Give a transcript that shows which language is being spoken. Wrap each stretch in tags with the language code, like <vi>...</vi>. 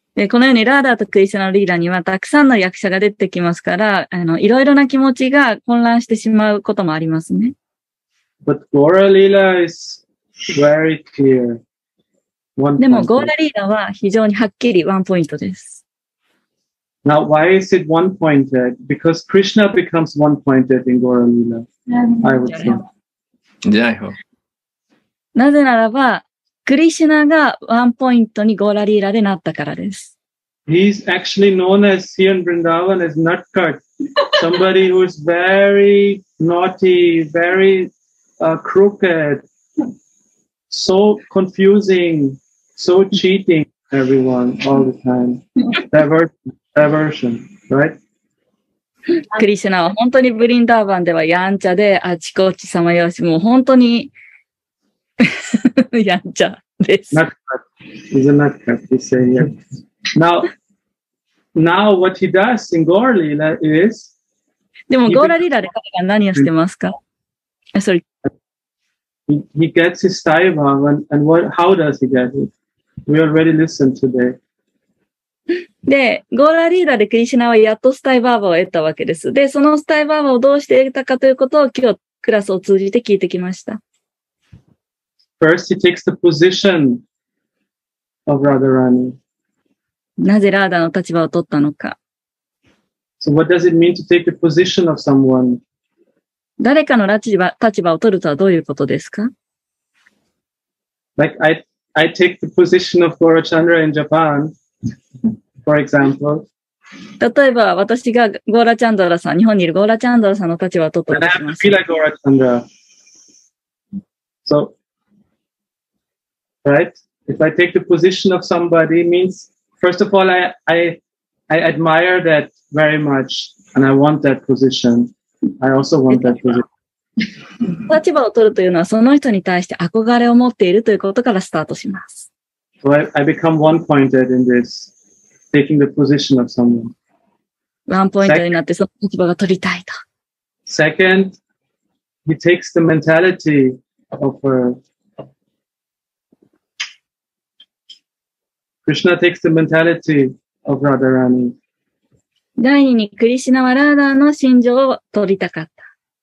<ja>このようにラーダーとクリシュナのリーダーにはたくさんの役者が出てきますから、いろいろな気持ちが混乱してしまうこともありますね。</ja> <en>But Gaura Leela is very clear.</en> <ja>でもゴーラリーラは非常にはっきりワンポイントです。</ja> <en>Now, why is it one pointed? Because Krishna becomes one pointed in Gaura Leela. I would say. Jaiho.</en> <ja>なぜならば、クリシュナがワンポイントにゴーラリーラでなったからです。</ja> <en>He's actually known as here in Vrindavan as Nutcut. Somebody who is very naughty, very, crooked. So confusing, so cheating everyone all the time. Diversion, right?</en> <ja>クリシュナは本当にブリンダーバンではやんちゃであちこちさまようし、もう本当にやんちゃです。</ja> <en>Not cut. He's a nut cut, he's saying yes. Now what he does in Gaura Leela is...</en> <ja>でもゴーラリーラで彼が何をしてますか</ja> <en>He gets his Sai Baba, and what, how does he get it? We already listened today.</en> <ja>で、ゴーラリーダーでクリシュナはやっとスタイバーバーを得たわけです。で、そのスタイバーバーをどうして得たかということを今日クラスを通じて聞いてきました。</ja> <en>First, he takes the position of Radharani.</en> <ja>なぜラーダの立場を取ったのか。</ja> <en>So what does it mean to take the position of someone?</en> <ja>誰かの立場を取るとはどういうことですか</ja> <en>?Like, I take the position of Gaura Chandra in Japan, for example.</en> <ja>例えば、私がゴーラチャンドラさん、日本にいるゴーラチャンドラさんの立場を取ったとします。</ja> <en>I have to feel like Gaura Chandra. So, right? If I take the position of somebody, means, first of all, I admire that very much, and I want that position. I also want that position.</en> <ja>立場を取るというのはその人に対して憧れを持っているということからスタートします。</ja> <en>So I become one-pointed in this, taking the position of someone.</en> <ja>ワンポイントになってその立場が取りたいと。</ja> <en>Second, he takes the mentality of a... Krishna takes the mentality of Radharani.</en> <ja>第二にクリシュナはラーダの心情を取りたかった。</ja>